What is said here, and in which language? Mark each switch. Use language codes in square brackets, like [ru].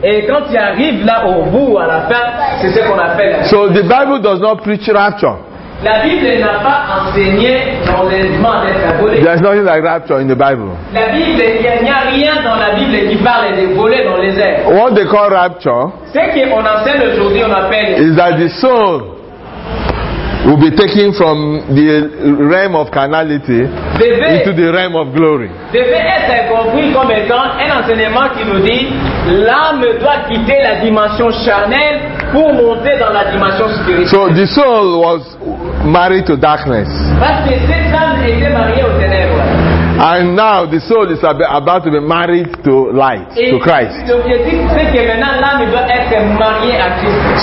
[fr] Et quand il arrive là au bout à la fin, c'est ce qu'on appelle. [en] So the Bible does not preach rapture. [fr] La Bible n'a pas enseigné l'enlèvement d'être volé. [en] There's nothing like rapture in the Bible. [fr] La Bible, il n'y a rien dans la Bible qui parle de voler dans les airs. [en] What they call rapture? [fr] Ce qu'on enseigne aujourd'hui, on appelle. [en] Is that the soul will be taken from the realm of carnality into the realm of glory. [fr] Devait être compris comme étant un enseignement qui nous dit l'âme doit quitter la dimension charnelle pour monter dans la dimension spirituelle. [en] So the soul was married to darkness. [fr] Parce que cette âme était mariée aux ténèbres. [en] And now the soul is about to be married to light, [fr] et [en] to Christ. [fr] L'objectif, c'est que maintenant l'âme doit être mariée à Christ.